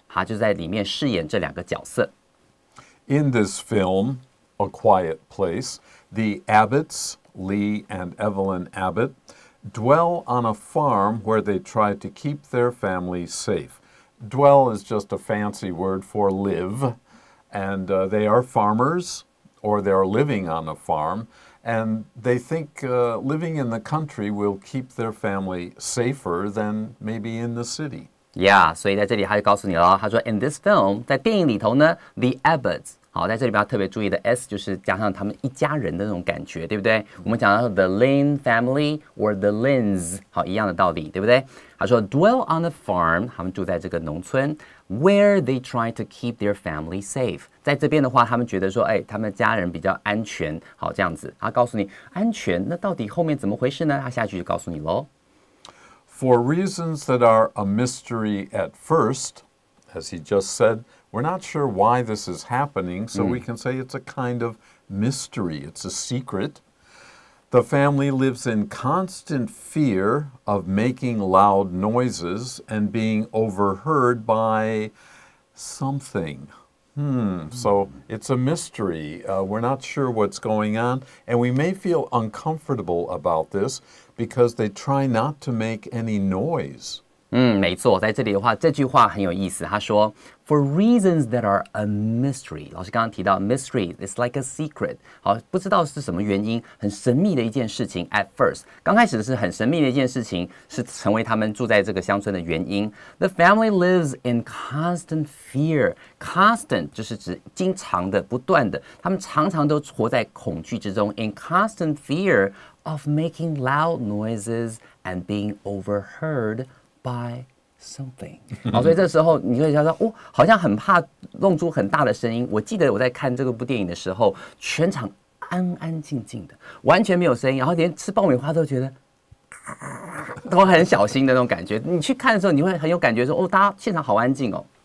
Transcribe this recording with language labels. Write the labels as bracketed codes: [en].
[zh] 他就在里面饰演这两个角色。 [en] In this film, A Quiet Place, the Abbotts, Lee and Evelyn Abbott, dwell on a farm where they try to keep their family safe. Dwell is just a fancy word for live. And they are farmers, or they are living on a farm. And they think living in the country will keep their family safer than maybe in the city. [zh] Yeah, 所以在这里他就告诉你了，他说 [en] in this film, [zh] 在电影里头呢 [en] the Abbotts, [zh] 好，在这里边要特别注意的 S 就是加上他们一家人的那种感觉，对不对？我们讲到 [en] the Lin family or the Lins, [zh] 好，一样的道理，对不对？他说 [en] dwell on a farm, [zh] 他们住在这个农村 [en] where they try to keep their family safe. [zh] 在这边的话，他们觉得说，哎，他们家人比较安全，好，这样子。他告诉你安全，那到底后面怎么回事呢？他下去就告诉你咯。 [en] For reasons that are a mystery at first, as he just said,We're not sure why this is happening, so we can say it's a kind of mystery. It's a secret. The family lives in constant fear of making loud noises and being overheard by something. So it's a mystery. We're not sure what's going on, and we may feel uncomfortable about this because they try not to make any noise. [zh] 没错，在这里的话，这句话很有意思。他说 ， [en] For reasons that are a mystery， [zh] 老师刚刚提到 mystery， [en] it's like a secret， [zh] 好，不知道是什么原因，很神秘的一件事情。 [en] At first， [zh] 刚开始是很神秘的一件事情，是成为他们住在这个乡村的原因。 [en] The family lives in constant fear， [zh] constant 就是指经常的、不断的，他们常常都活在恐惧之中。 [en] In constant fear of making loud noises and being overheard。 By something. [zh] 好，所以这时候你会想到，哦，好像很怕弄出很大的声音。我记得我在看这个部电影的时候，全场安安静静的，完全没有声音，然后连吃爆米花都觉得都很小心的那种感觉。你去看的时候，你会很有感觉说，哦，大家现场好安静哦。